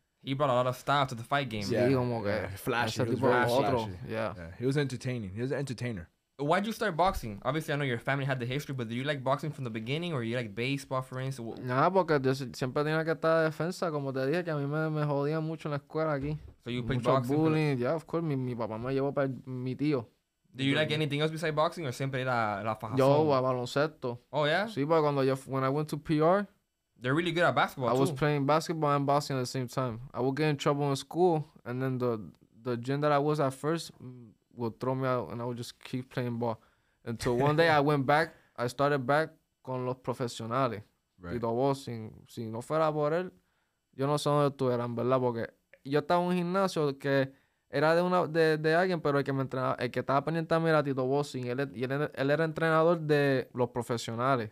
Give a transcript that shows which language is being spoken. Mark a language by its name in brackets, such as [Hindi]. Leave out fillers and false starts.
[English] He brought a lot of style to the fight game. [Spanish] Yeah. Sí, como que [English] flashy. [Spanish] Ese tipo de otro. Yeah. [English] He was entertaining. He was an entertainer. Why'd you start boxing? Obviously, I know your family had the history, but do you like boxing from the beginning or you like baseball, for instance? [Spanish] Nah, porque yo siempre tenía que estar de defensa, como te dije, que a mí me jodía mucho en la escuela aquí. [English] So you played boxing? Bullying. Yeah, of course. [Spanish] Mi papá me llevó para mi tío. [English] Do you like anything else besides boxing or [Spanish] siempre era la faja? Yo, a baloncesto. [English] Oh, yeah? [Spanish] Sí, porque cuando yo, [English] when I went to PR. They're really good at basketball, I too. I was playing basketball and boxing at the same time. I would get in trouble in school, and then the gym that I was at first would throw me out, and I would just keep playing ball. Until one day I went back, I started back [Spanish] con los profesionales. [English] Right. [Spanish] Y todo, si no fuera por él, yo no sé dónde estuviera, en verdad, porque yo estaba en un gimnasio que era de alguien, pero el que me entrenaba, el que estaba pendiente a mí era Tito Bossing, él era entrenador de los profesionales.